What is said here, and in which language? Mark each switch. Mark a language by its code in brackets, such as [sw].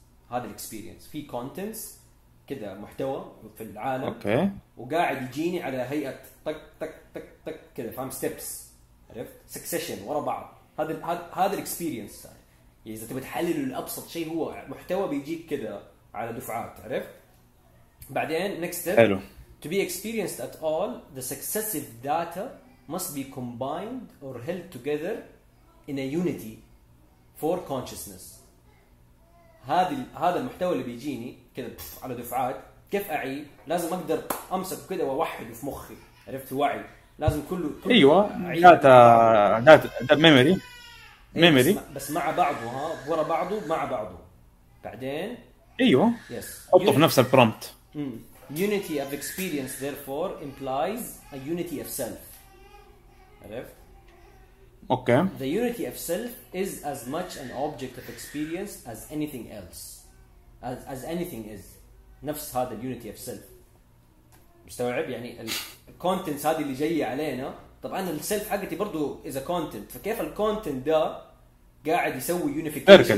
[ar] هذا الاكسبيرينس في كونتنتس كذا محتوى في العالم وقاعد يجيني على هيئه طق طق طق طق كذا، فاهم؟ ستيبس، عرفت؟ سكسيشن ورا بعض. هذا الاكسبيرينس يعني اذا تبي تحلله الابسط شيء هو محتوى بيجيك كذا على دفعات، عرفت؟ بعدين [en] next step [ar] حلو. [en] To be experienced at all the successive data must be combined or held together in a unity for consciousness. [ar] هذا المحتوى اللي بيجيني كذا على دفعات كيف اعي؟ لازم اقدر امسك كذا واوحد في مخي، عرفت؟ وعي لازم كله ايوه داتا ميموري ميموري بس مع بعضه، ها، ورا بعضه مع بعضه. بعدين ايوه [en] yes [ar] حطه في نفس البرومبت. [en] Unity of experience therefore implies a unity of self. [ar] عرفت؟ [en] Okay. The unity of self is as much an object of experience as anything else, as anything is. [ar] نفس هذا [en] the unity of self. [ar] مستوعب؟ يعني ال contents هذه اللي جاية علينا. طبعاً ال self حقتي برضو [en] is a content. [ar] فكيف ال content ده قاعد يسوي unification؟